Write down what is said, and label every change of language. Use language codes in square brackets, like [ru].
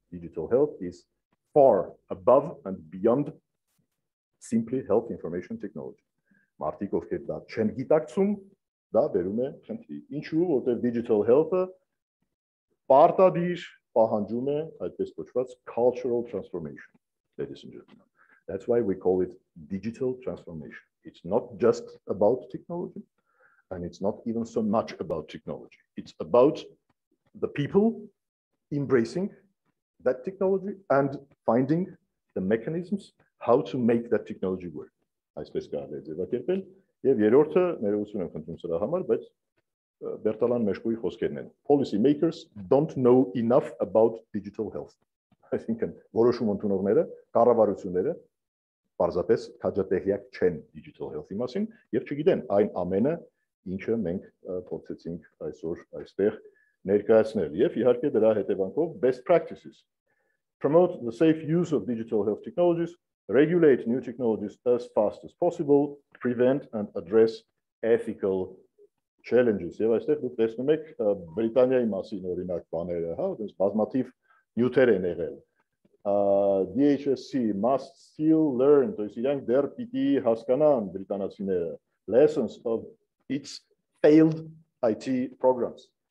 [en] Digital health is far above and beyond simply health information technology. [hy] Մարդիկ, ովքեր դա չեն գիտակցում, դա վերում է խնդրի։ Ինչու՞, որտեղ digital health-ը պարտադիր պահանջում է այդպես կոչված [en] cultural transformation, ladies and gentlemen. That's why we call it digital transformation. It's not just about technology, and it's not even so much about technology. It's about the people embracing that technology and finding the mechanisms how to make that technology work. [hy] Այսպես կարելի է ձևակերպել, եւ երրորդը ներողություն եմ խնդրում սրա համար, բայց Բերտալան Մեշկուի խոսքերն են. [en] Policy makers don't know enough about digital health. I think [hy] որոշում ընդունողները, կառավարությունները պարզապես քաջատեղյակ չեն digital health-ի մասին եւ չգիտեն այն ամենը, ինչը մենք փորձեցինք այսօր այստեղ ներկայացնել եւ իհարկե դրա հետեւանքով [en] best practices. Promote the safe use of digital health technologies, regulate new technologies as fast as possible, prevent and address ethical challenges. [hy] Եվ այստեղ դուք տեսնում եք Բրիտանիայի մասին օրինակ բաները, հա, այսպես բազմաթիվ նյութեր են եղել։ [en] DHSC must still learn, [ru] то есть [hy] իրանք դեռ պիտի հասկանան բրիտանացիները [en] lessons of its failed IT programs.